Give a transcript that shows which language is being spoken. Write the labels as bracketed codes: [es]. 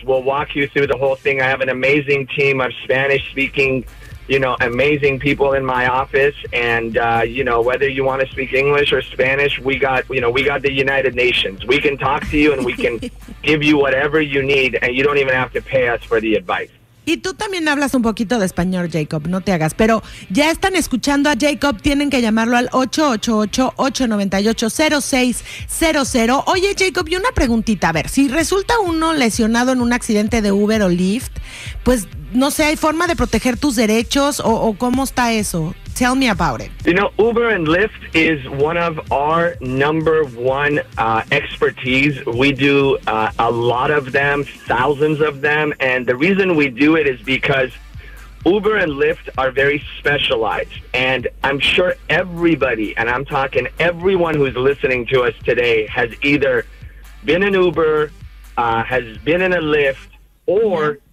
[en] We'll walk you through the whole thing. I have an amazing team of Spanish-speaking, you know, amazing people in my office. And, you know, whether you want to speak English or Spanish, we got, you know, we got the United Nations. We can talk to you and we can give you whatever you need. And you don't even have to pay us for the advice. [es] Y tú también hablas un poquito de español, Jacob, no te hagas. Pero ya están escuchando a Jacob, tienen que llamarlo al 888-898-0600. Oye, Jacob, y una preguntita, a ver, si resulta uno lesionado en un accidente de Uber o Lyft, pues, no sé, ¿hay forma de proteger tus derechos o cómo está eso? [en] Tell me about it. You know, Uber and Lyft is one of our number one expertise. We do a lot of them, thousands of them. And the reason we do it is because Uber and Lyft are very specialized. And I'm sure everybody, and I'm talking everyone who's listening to us today, has either been an Uber, has been in a Lyft, or...